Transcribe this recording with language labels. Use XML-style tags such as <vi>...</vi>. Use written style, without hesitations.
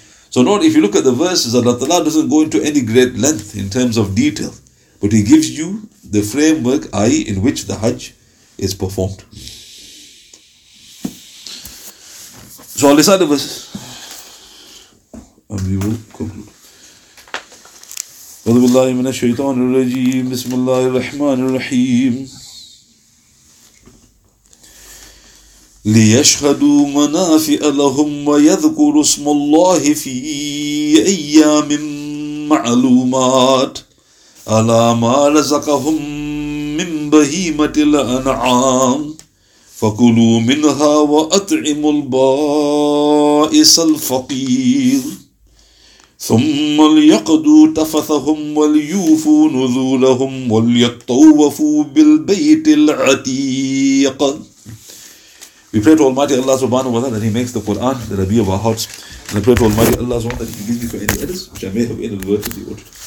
<en>So note, if you look at the verses, Allah Ta'ala doesn't go into any great length in terms of detail, but He gives you the framework, i.e. in which the Hajj is performed. So Allah said the verses, and we will conclude.</en> <ar>أعوذ بالله من الشيطان الرجيم بسم الله الرحمن الرحيم ليشهدوا منافع لهم ويذكروا اسم الله في أيام معلومات على ما رزقهم من بهيمة الأنعام فكلوا منها وأطعموا البائس الفقير ثم ليقضوا تفثهم وليوفوا نذورهم وليطوفوا بالبيت العتيق.</ar> <en>We pray to Almighty Allah subhanahu wa ta'ala that He makes the Quran the Rabi of our hearts. And I pray to Almighty Allah subhanahu wa ta'ala that He gives me for any edits which I may have any words as He ordered.</en>